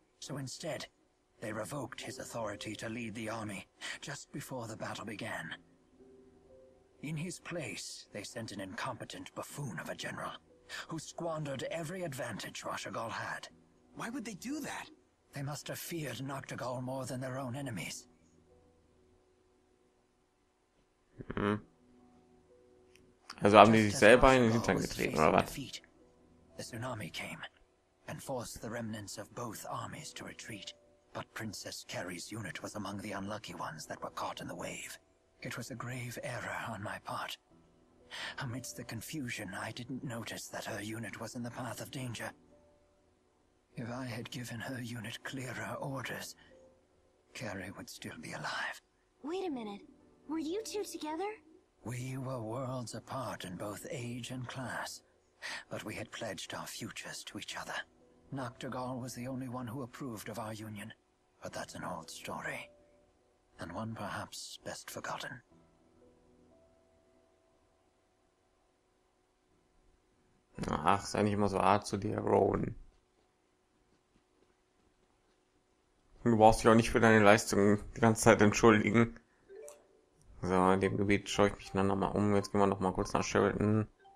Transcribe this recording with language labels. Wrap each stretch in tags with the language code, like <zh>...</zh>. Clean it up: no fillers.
<en>So instead, they revoked his authority to lead the army just before the battle began. In his place, they sent an incompetent buffoon of a general, who squandered every advantage Roshagaal had. Why would they do that? They must have feared Noctegaal more than their own enemies.</en> <de>Also haben die sich selber in den Hintern getreten, oder was?</de> <en>The tsunami came and forced the remnants of both armies to retreat. But Princess Carrie's unit was among the unlucky ones that were caught in the wave. It was a grave error on my part. Amidst the confusion, I didn't notice that her unit was in the path of danger. If I had given her unit clearer orders, Carrie would still be alive. Wait a minute. Were you two together? We were worlds apart in both age and class, but we had pledged our futures to each other. Noctegaal was the only one who approved of our union, but that's an old story, and one perhaps best forgotten.</en> <de>Ach, sei nicht immer so hart zu dir, Rowan. Du brauchst dich auch nicht für deine Leistungen die ganze Zeit entschuldigen. So, in dem Gebiet schaue ich mich dann nochmal um. Jetzt gehen wir nochmal kurz nach Sheraton.</de>